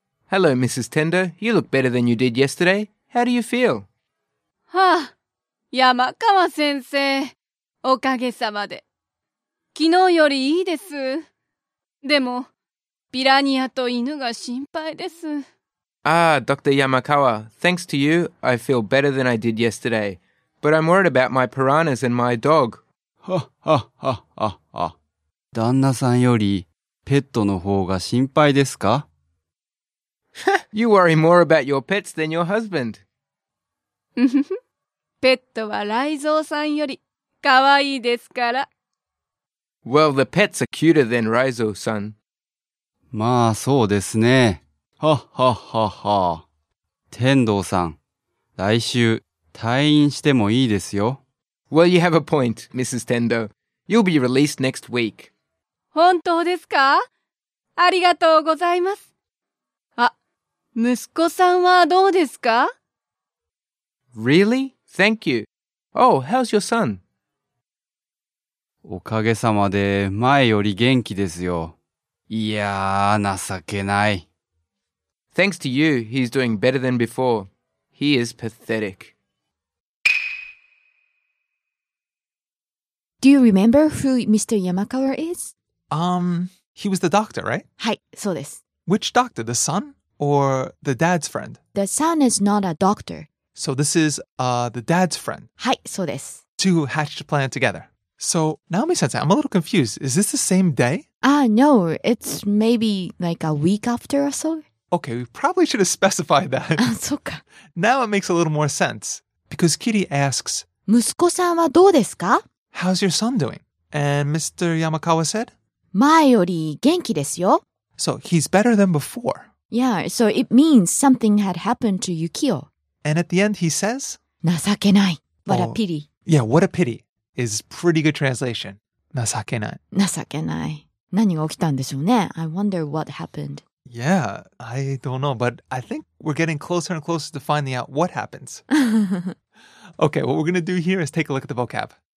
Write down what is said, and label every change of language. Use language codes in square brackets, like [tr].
[en] Hello, Mrs. Tendo. You look better than you did yesterday. How do you feel? [ja] はあ、山川先生。おかげさまで。昨日よりいいです。でも、ピラニアと犬が心配です。 [en] Ah, Dr. Yamakawa, thanks to you, I feel better than I did yesterday. But I'm worried about my piranhas and my dog. Ha, ha, ha, ha, ha. [ja] 旦那さんよりペットの方が心配ですか? [en] You worry more about your pets than your husband. [ja] ペットは雷蔵さんより可愛いですから。 [en] Well, the pets are cuter than Raizo-san. [ja] まあ、そうですね。はっはっはっは。天童さん、来週、退院してもいいですよ。 [en] Well, you have a point, Mrs. Tendo. You'll be released next week. [ja] 本当ですか? ありがとうございます。あ、息子さんはどうですか? [en] Really? Thank you. Oh, how's your son? [ja] おかげさまで前より元気ですよ。いやー、情けない。 [en] Thanks to you, he's doing better than before. He is pathetic. Do you remember who Mr. Yamakawa is? He was the doctor, right? [ja] はい、そうです。 [en] Which doctor? The son? Or the dad's friend? The son is not a doctor. So this is the dad's friend? [ja] はい、そうです。 [en] Two hatched a plan together. So, Naomi-sensei, I'm a little confused. Is this the same day? No. It's maybe like a week after or so. Okay, we probably should have specified that. [ja] そうか。 [en] Now it makes a little more sense. Because Kitty asks, [ja] 息子さんはどうですか? [en] How's your son doing? And Mr. Yamakawa said? [ja] 前より元気ですよ。 [en] So, he's better than before. Yeah, so it means something had happened to Yukio. And at the end he says, [ja] 情けない。 [en] What a pity. Yeah, what a pity. Is pretty good translation. [ja] 情けない。情けない。何が起きたんでしょうね? [en] I wonder what happened. Yeah, I don't know, but I think we're getting closer and closer to finding out what happens. Okay, what we're going to do here is take a look at the vocab.